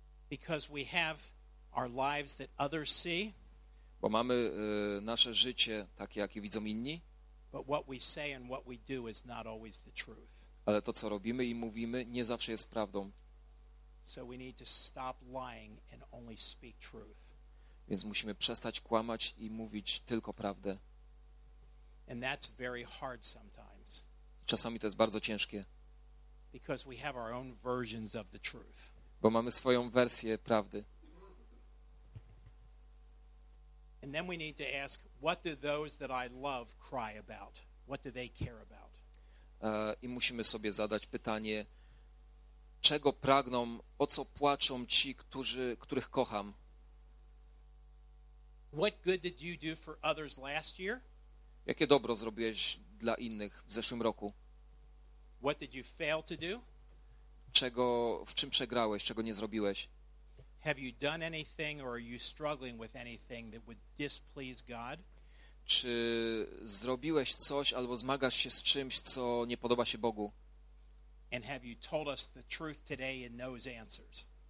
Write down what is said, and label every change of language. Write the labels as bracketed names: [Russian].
[English] Because we have our lives that others see. [Polish] Bo mamy nasze życie takie, jakie widzą inni. [English] But what we say and what we do is not always the truth. [Polish] Ale to, co robimy i mówimy, nie zawsze jest prawdą. [English] So we need to stop lying and only speak truth. [Polish] Więc musimy przestać kłamać i mówić tylko prawdę. [English] And that's very hard sometimes. [Polish] Czasami to jest bardzo ciężkie. [English] Because we have our own versions of the truth. [Polish] Bo mamy swoją wersję prawdy. [English] And then we need to ask, what do those that I love cry about? What do they care about? [Polish] I musimy sobie zadać pytanie, czego pragną, o co płaczą ci, których kocham? [English] What good did you do for others last year? [Polish] Jakie dobro zrobiłeś dla innych w zeszłym roku? [English] What did you fail to do? [Polish] W czym przegrałeś, czego nie zrobiłeś? [English] Have you done anything or are you struggling with anything that would displease God? [Polish] Czy zrobiłeś coś albo zmagasz się z czymś, co nie podoba się Bogu? [English] And have you told us the truth today in those answers?